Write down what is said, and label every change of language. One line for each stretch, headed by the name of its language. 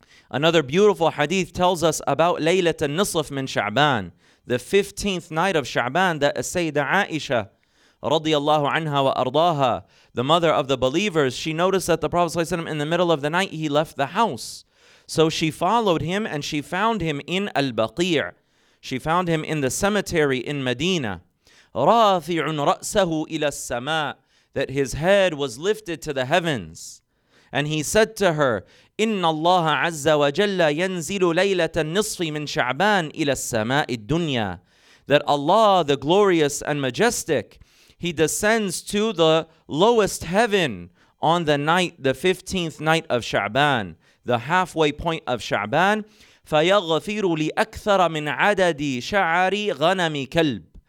English: Another beautiful hadith tells us about Laylat al-Nisf min Sha'ban, the 15th night of Sha'ban, that Sayyida Aisha radiyallahu anha wa ardaha, the mother of the believers, she noticed that the Prophet ﷺ, in the middle of the night, he left the house. So she followed him and she found him in al-Baqi'. She found him in the cemetery in Medina.
Arabic: رَافِعٌ رَأْسَهُ إِلَى السَّمَاءِ,
English: that his head was lifted to the heavens. And he said to her,
Arabic: إِنَّ اللَّهَ عَزَّ وَجَلَّ يَنْزِلُ لَيْلَةَ النِّصْفِ مِنْ شَعْبَانِ إِلَى السَّمَاءِ الدُّنْيَا.
English: That Allah, the glorious and majestic, he descends to the lowest heaven on the night, the 15th night of Sha'ban, the halfway point of Sha'ban.
Arabic: فَيَغْفِرُ لِأَكْثَرَ مِنْ عَدَدِ شَعَارِ غَنَمِ كَلْبِ.